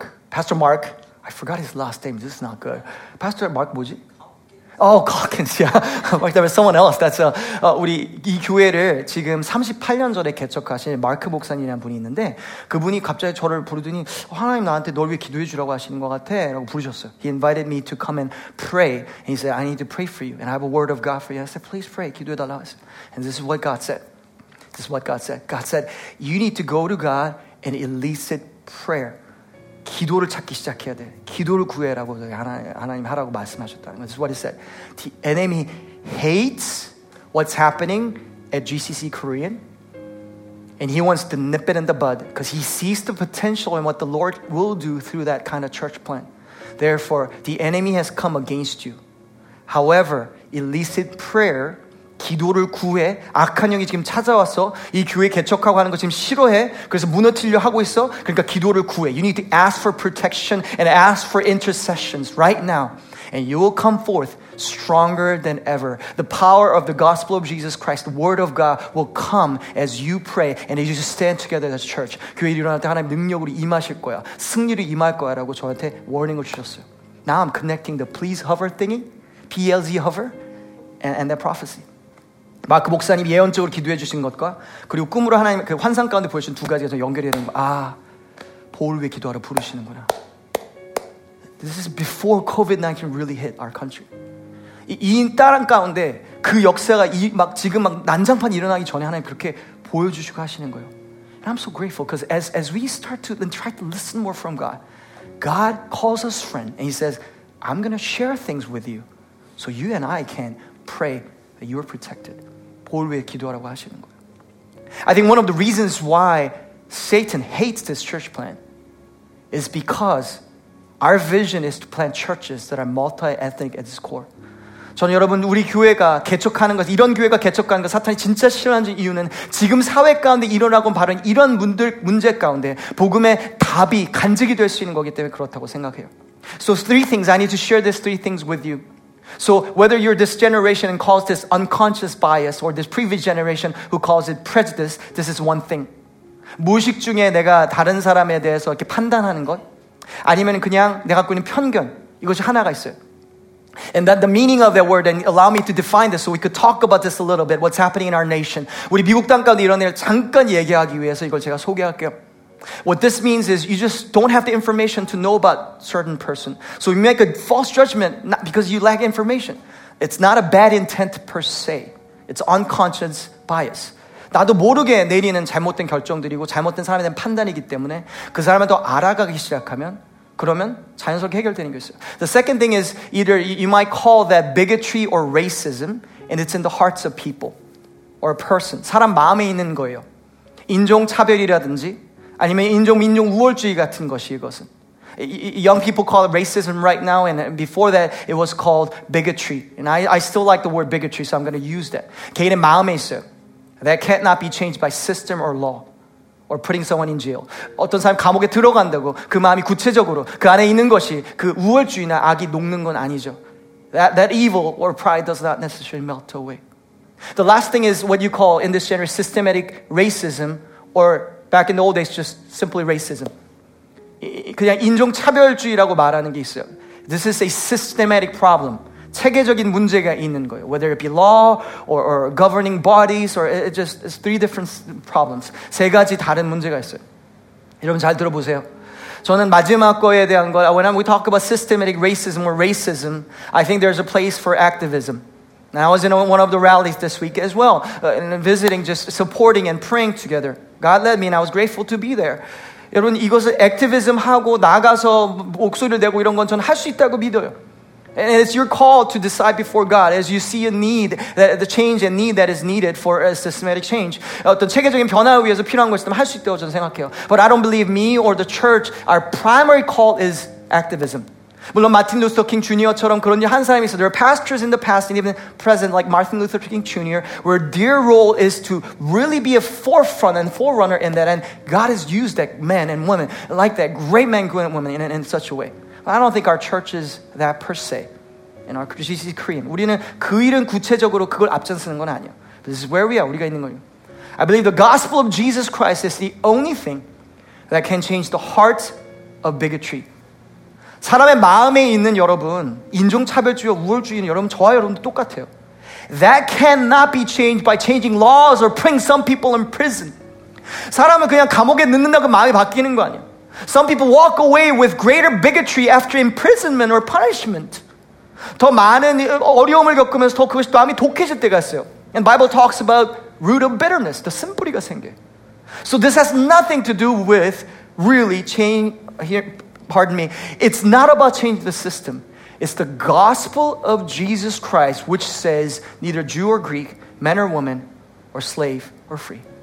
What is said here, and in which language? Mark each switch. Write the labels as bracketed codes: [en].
[en] Pastor Mark, I forgot his last name, this is not good. [ko] Pastor Mark 뭐지? [en] Oh, Calkins, yeah. Mark, there was someone else. That's [ko] 우리 이 교회를 지금 38년 전에 개척하신 마크 목사님이라는 분이 있는데 그분이 갑자기 저를 부르더니 하나님 나한테 널 위해 기도해 주라고 하시는 것 같아 라고 부르셨어요. [en] He invited me to come and pray. And he said, I need to pray for you. And I have a word of God for you. I said, please pray. [ko] 기도해 달라고 했어요. [en] And this is what God said. This is what God said. God said, you need to go to God and elicit prayer. [ko] 기도를 찾기 시작해야 돼. 기도를 구해라고 하나님 하라고 말씀하셨다는 거예요. [en] This is what he said. The enemy hates what's happening at GCC Korean. And he wants to nip it in the bud. Because he sees the potential in what the Lord will do through that kind of church plan. Therefore, the enemy has come against you. However, elicit prayer, [ko] 기도를 구해. 악한 영이 지금 찾아와서 이 교회 개척하고 하는 거 지금 싫어해. 그래서 무너뜨리려 하고 있어. 그러니까 기도를 구해. [en] You need to ask for protection and ask for intercessions right now. And you will come forth stronger than ever. The power of the gospel of Jesus Christ, the word of God, will come as you pray and as you stand together as a church. [ko] 교회 일어날 때 하나님 능력으로 임하실 거야. 승리로 임할 거야 라고 저한테 warning을 주셨어요. [en] Now I'm connecting the please hover thingy, PLZ hover, and that prophecy. [ko] 마크 목사님이 예언적으로 기도해 주신 것과 그리고 꿈으로 하나님 그 환상 가운데 보여주신 두 가지가 연결이 되는 거. 아, 보호를 위해 기도하러 부르시는구나. [en] This is before COVID-19 really hit our country. [ko] 이 따란 가운데 그 역사가 이 막 지금 막 난장판 일어나기 전에 하나님 그렇게 보여주시고 하시는 거예요. [en] And I'm so grateful because as we start to then try to listen more from God, God calls us friend and he says, I'm going to share things with you so you and I can pray that you are protected. [ko] 보호를 위해 기도하라고 하시는 거예요. [en] I think one of the reasons why Satan hates this church plan is because our vision is to plant churches that are multi-ethnic at its core. [ko] 저는 여러분 우리 교회가 개척하는 것, 이런 교회가 개척하는 것 사탄이 진짜 싫어하는 이유는 지금 사회 가운데 일어나고 바른 이런 문제 가운데 복음의 답이 간직이 될 수 있는 거기 때문에 그렇다고 생각해요. [en] So three things, I need to share these three things with you. So whether you're this generation and calls this unconscious bias or this previous generation who calls it prejudice, this is one thing. [ko] 무의식 중에 내가 다른 사람에 대해서 이렇게 판단하는 것 아니면 그냥 내가 갖고 있는 편견 이것이 하나가 있어요. [en] And that the meaning of that word, and allow me to define this so we could talk about this a little bit, what's happening in our nation. [ko] 우리 미국 땅 가운데 이런 일을 잠깐 얘기하기 위해서 이걸 제가 소개할게요. [en] What this means is you just don't have the information to know about certain person. So you make a false judgment not because you lack information. It's not a bad intent per se. It's unconscious bias. [ko] 나도 모르게 내리는 잘못된 결정들이고 잘못된 사람에 대한 판단이기 때문에 그 사람을 더 알아가기 시작하면 그러면 자연스럽게 해결되는 게 있어요. [en] The second thing is either you might call that bigotry or racism and it's in the hearts of people or a person. [ko] 사람 마음에 있는 거예요. 인종차별이라든지 아니면 인종민족 우월주의 같은 것이 이것은. [en] Young people call it racism right now and before that it was called bigotry. And I still like the word bigotry so I'm going to use that. [ko] 개인의 마음에 있어요. [en] That cannot be changed by system or law. Or putting someone in jail. [ko] 어떤 사람 감옥에 들어간다고 그 마음이 구체적으로 그 안에 있는 것이 그 우월주의나 악이 녹는 건 아니죠. [en] That evil or pride does not necessarily melt away. The last thing is what you call in this generation systematic racism or back in the old days just simply racism. [ko] 그냥 인종차별주의라고 말하는 게 있어요. [en] This is a systematic problem. [ko] 체계적인 문제가 있는 거예요. [en] Whether it be law or governing bodies or it's three different problems. [ko] 세 가지 다른 문제가 있어요. 여러분 잘 들어보세요. 저는 마지막 거에 대한 거 [en] when we talk about systematic racism or racism, I think there's a place for activism. And I was in one of the rallies this week as well, and visiting, just supporting and praying together. God led me and I was grateful to be there. [ko] 여러분 이것을 activism 하고 나가서 목소리를 내고 이런 건 저는 할 수 있다고 믿어요. [en] And it's your call to decide before God as you see a need, the change and need that is needed for a systematic change. [ko] 어떤 체계적인 변화를 위해서 필요한 것이 있다면 할 수 있다고 저는 생각해요. [en] But I don't believe me or the church, our primary call is activism. [ko] 물론 마틴 루터 킹 주니어처럼 그런 일 한 사람이 있어요. [en] There are pastors in the past and even present like Martin Luther King Jr. where their role is to really be a forefront and forerunner in that. And God has used that man and woman like that, great man and woman in such a way. I don't think our church is that per se in our GCC Korean. [ko] 우리는 그 일은 구체적으로 그걸 앞장서는 건 아니야. [en] But this is where we are. [ko] 우리가 있는 거예요. [en] I believe the gospel of Jesus Christ is the only thing that can change the heart of bigotry. [ko] 사람의 마음에 있는 여러분, 인종차별주의와 우월주의는 여러분, 저와 여러분도 똑같아요. [en] That cannot be changed by changing laws or putting some people in prison. [ko] 사람을 그냥 감옥에 넣는다고 마음이 바뀌는 거 아니야. [en] Some people walk away with greater bigotry after imprisonment or punishment. [ko] 더 많은 어려움을 겪으면서 더 그것이 마음이 독해질 때가 있어요. [en] And Bible talks about root of bitterness, [ko] 더 쓴뿌리가 생겨. [en] So this has nothing to do with really change, here, pardon me, it's not about changing the system. It's the gospel of Jesus Christ which says neither Jew or Greek, man or woman, or slave or free.